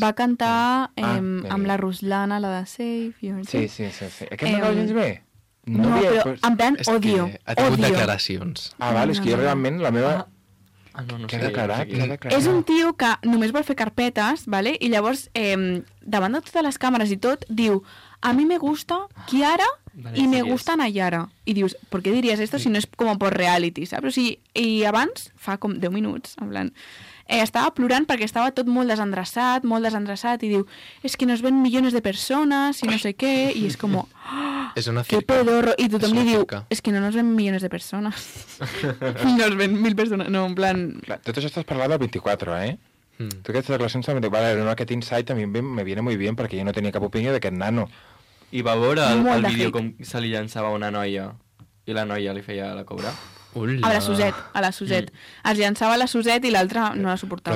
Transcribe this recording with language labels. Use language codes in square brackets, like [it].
[ca] Va cantar amb la Ruslana, la de Save Your Kids. Sí. Aquest no va bé? No havia... però en plan, odio. Ha tingut declaracions. Ah, val, és que jo realment la meva... No sé què declarar. És un tio que només vol fer carpetes, vale? I llavors, davant de totes les càmeres i tot, diu... [es] A mí me gusta Kiara y me gusta Nayara. [ca] Y dius, [es] ¿por qué dirías esto si no es como por reality, [ca] saps? O sigui, i abans, fa com 10 minuts, en plan, estava plorant perquè estava tot molt desendreçat, i diu, [es] es que nos ven millones de personas y no sé qué, [ca] i és com, oh, [es] qué pedorro. [ca] I tothom li diu, [es] es que no nos ven millones de personas. Nos ven 1000 personas, no, en plan... [ca] Tot això estàs parlant del 24, eh? Tu aquestes declaracions també dic, vale, no, aquest insight a mi [es] me viene muy bien [ca] perquè jo no tenia cap opinió d'aquest nano. I va veure el vídeo com se li llançava una noia i la noia li feia la cobra? Ula. A la Suset. Mm. Es llançava la Suset i l'altra no la suportava.